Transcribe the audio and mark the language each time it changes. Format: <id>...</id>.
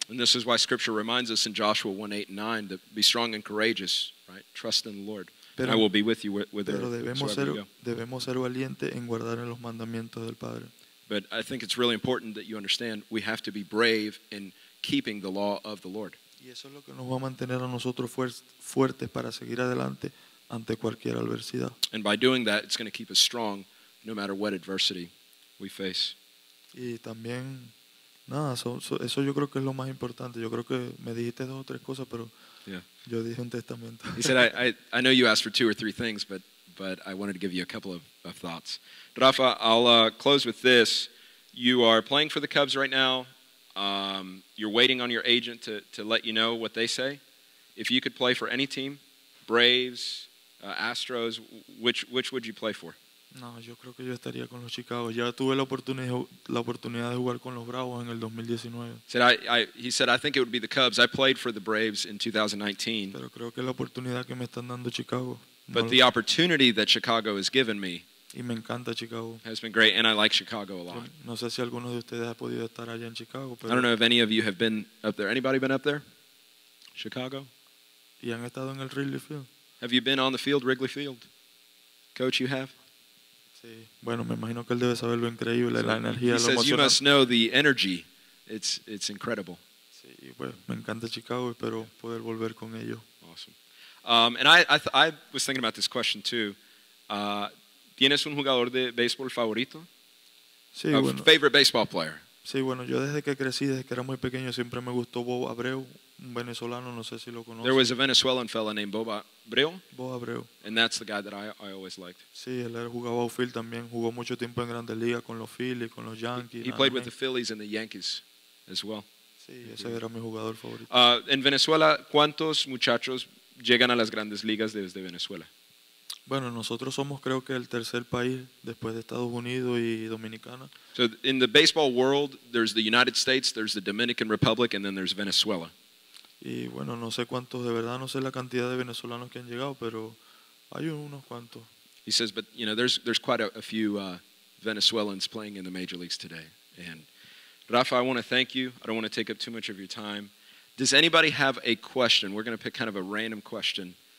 <en>And this is why scripture reminds us in Joshua 1:8-9 that be strong and courageous, right? Trust in the Lord.</en> <es>Pero,</es> <en>and I will be with you with</en> <es>pero debemos ser valientes en guardar en los mandamientos del Padre.</es> <en>But I think it's really important that you understand we have to be brave in keeping the law of the Lord.</en> <es>Y eso es lo que nos va a mantener a nosotros fuertes para seguir adelante ante cualquier adversidad.</es> <en>And by doing that, it's going to keep us strong no matter what adversity we face.</en> <es>Y también nada, eso yo creo que es lo más importante. Yo creo que me dijiste dos o tres cosas, pero yo dije un testamento.</es> <en>He said I know you asked for two or three things, but I wanted to give you a couple of thoughts. Rafa, I'll close with this. You are playing for the Cubs right now. You're waiting on your agent to let you know what they say. If you could play for any team, Braves, Astros, which would you play for?</en> <es>No, yo creo que yo estaría con los Chicago. Ya tuve la oportunidad de jugar con los Bravos en el 2019.</es> <en>He said I think it would be the Cubs. I played for the Braves in 2019.</en> <es>Pero creo que la oportunidad que me están dando Chicago.</es> <en>But the opportunity that Chicago has given me.</en> <es>Y me encanta Chicago.</es> <en>Has been great, and I like Chicago a lot.</en> <es>No sé si alguno de ustedes ha podido estar allá en Chicago.</es> <en>I don't know if any of you have been up there. Anybody been up there? Chicago?</en> <es>Y han estado en el Wrigley Field.</es> <en>Have you been on the field, Wrigley Field? Coach, you have?</en> <es>Sí. Bueno, me imagino que él debe saber lo increíble, la energía, lo emocional.</es> <en>He says, you must know the energy. It's incredible.</en> <es>Sí, bueno, me encanta Chicago, espero poder volver con ellos.</es> <en>Awesome. And I was thinking about this question too.</en> <es>¿Tienes un jugador de béisbol favorito? Sí, bueno.</es> <en>Favorite baseball player.</en> <es>Sí, bueno, yo desde que crecí, desde que era muy pequeño, siempre me gustó Bob Abreu, un venezolano, no sé si lo conoces.</es> <en>There was a Venezuelan fella named Bob Abreu. Bob Abreu. And that's the guy that I always liked.</en> <es>Sí, él jugaba outfield también, jugó mucho tiempo en Grandes Ligas con los Phillies, con los Yankees.</es> <en>He played with the Phillies and the Yankees as well.</en> <es>Sí, ese era mi jugador favorito. En Venezuela, ¿cuántos muchachos llegan a las Grandes Ligas desde Venezuela? Bueno, nosotros somos creo que el tercer país después de Estados Unidos y Dominicana.</es> <en>So in the baseball world, there's the United States, there's the Dominican Republic, and then there's Venezuela.</en> <es>Y bueno, no sé cuántos, de verdad no sé la cantidad de venezolanos que han llegado, pero hay unos cuantos.</es> <en>He says, but you know, there's quite a few Venezuelans playing in the major leagues today. And Rafa, I want to thank you. I don't want to take up too much of your time. Does anybody have a question? We're going to pick kind of a random question.</en>